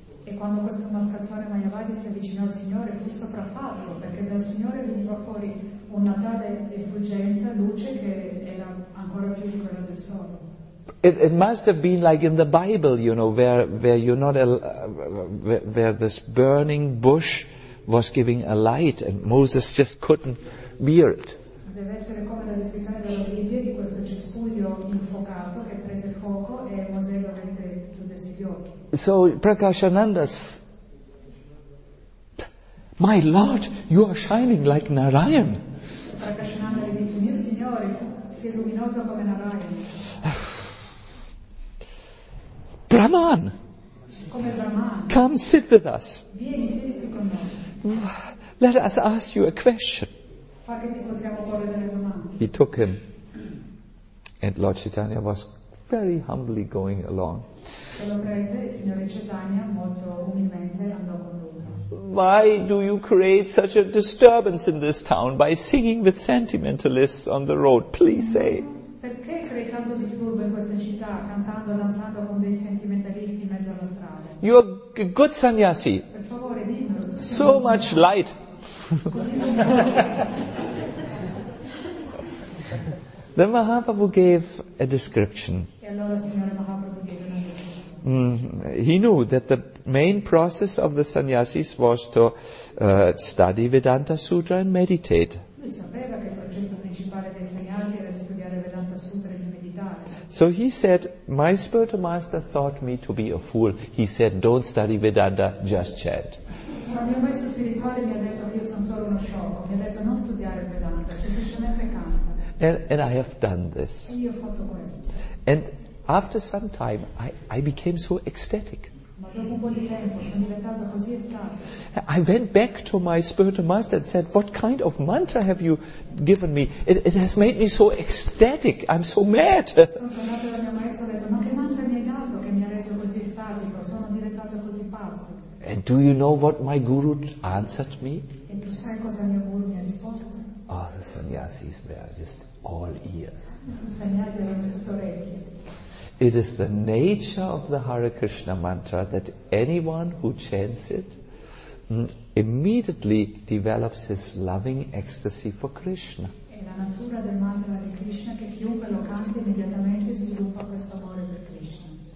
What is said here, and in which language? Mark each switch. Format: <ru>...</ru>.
<it>E quando questo mascalzone Mayavadi si avvicinò al Signore, fu sopraffatto perché dal Signore veniva fuori una tale effulgenza, luce che era ancora più ancora più di quello del sonno.</it> <en>It must have been like in the Bible, you know, where you're not where this burning bush was giving a light and Moses just couldn't bear it.</en> <it>Deve essere come la descrizione della Bibbia di questo cespuglio infuocato che prese fuoco e Mosè veramente chiudesse gli occhi.</it> <en>So Prakashananda, my Lord, you are shining like Narayan.</en> <it>Prakashananda disse, mio Signore, sei luminoso come Narayan.</it> <en>Brahman,</en> <it>come Brahman,</it> <en>come sit with us.</en> <it>Vieni, siediti con noi.</it> <en>Let us ask you a question.</en> <it>Fa che ti possiamo porre delle domande.</it> <en>He took him, and Lord Chaitanya was very humbly going along.</en> <it>Se lo prese, il signore Chaitanya molto umilmente andò con lui.</it> <en>Why do you create such a disturbance in this town by singing with sentimentalists on the road? Please say.</en> <it>Perché crei tanto disturbo in questa città cantando e danzando con dei sentimentalisti in mezzo alla strada?</it> <en>You are a good sannyasi.</en> <it>Per favore, dimmelo.</it> <en>So much light. The Mahaprabhu gave a description.</en> <it>E allora il signore Mahaprabhu gave una descrizione.</it> <en>He knew that the main process of the sannyasis was to study Vedanta Sutra and meditate.</en> <it>Lui sapeva che il processo principale dei sannyasi era di studiare Vedanta Sutra e di meditare.</it> <en>So he said, my spiritual master thought me to be a fool. He said, don't study Vedanta, just chant.</en> <it>Ma mio maestro spirituale mi ha detto che io sono solo uno sciocco. Mi ha detto non studiare Vedanta, semplicemente canta.</it> <en>And I have done this.</en> <it>E io ho fatto questo.</it> <en>And after some time, I became so ecstatic.</en> <it>Ma dopo un po' di tempo sono diventato così estatico.</it> <en>I went back to my spiritual master and said, what kind of mantra have you given me? It has made me so ecstatic. I'm so mad.</en> <it>Sono tornato dal mio maestro e ho detto, ma che mantra mi hai dato che mi ha reso così estatico? Sono diventato così pazzo.</it> <en>And do you know what my guru answered me?</en> <it>E tu sai cosa mio guru mi ha risposto?</it> <en>Oh, the sannyasis were just all ears.</en> <it>Sannyasi erano tutto orecchie.</it> <en>It is the nature of the Hare Krishna mantra that anyone who chants it immediately develops his loving ecstasy for Krishna.</en> <it>È la natura del mantra di Krishna che chiunque lo canta immediatamente sviluppa questo amore per Krishna.</it>